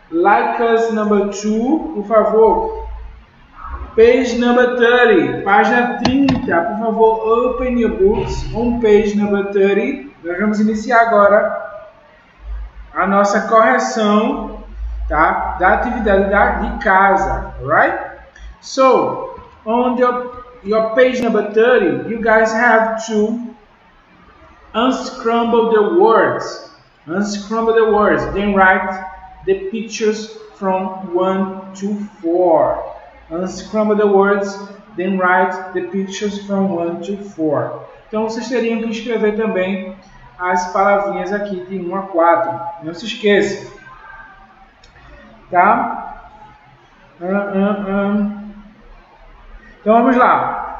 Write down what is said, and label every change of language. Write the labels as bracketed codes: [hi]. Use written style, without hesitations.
[en] Like us, number two, [pt] por favor. [en] Page number 30, [pt] página 30, [en] por favor, open your books on page number 30. [pt] Nós vamos iniciar agora a nossa correção, tá? Da atividade de casa, [en] right? So, on your page number 30, you guys have to unscramble the words. Unscramble the words, then write the pictures from 1 to 4. Unscramble the words, then write the pictures from 1 to 4. [pt] Então vocês teriam que escrever também as palavrinhas aqui de 1 a 4. Não se esqueça. Tá? Então vamos lá.